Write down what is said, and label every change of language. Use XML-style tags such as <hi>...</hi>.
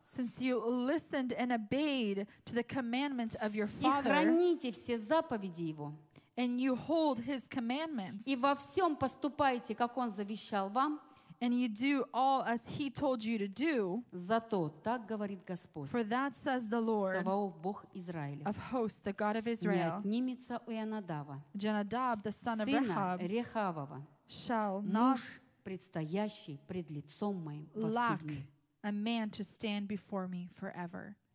<en>since you listened and obeyed to the commandment of your father,</en> <ru>и храните все заповеди его,</ru> <en>and you hold his commandments,</en> <ru>и во всем поступаете, как он завещал вам,</ru> <en>and you do all as he told you to do,</en> <ru>за то, так говорит Господь,</ru> <en>for that says the Lord,</en> <ru>Саваоф, Бог Израилев,</ru> <en>of hosts, the God of Israel,</en> <ru>не отнимется у Ионадава,</ru> <en>Ионадав, the son of Rehab,</en> <ru>сына Рехавова,</ru> <en>shall not</en> <ru>предстоящий пред лицом моим</ru> <en>lack a man to stand before me forever.</en>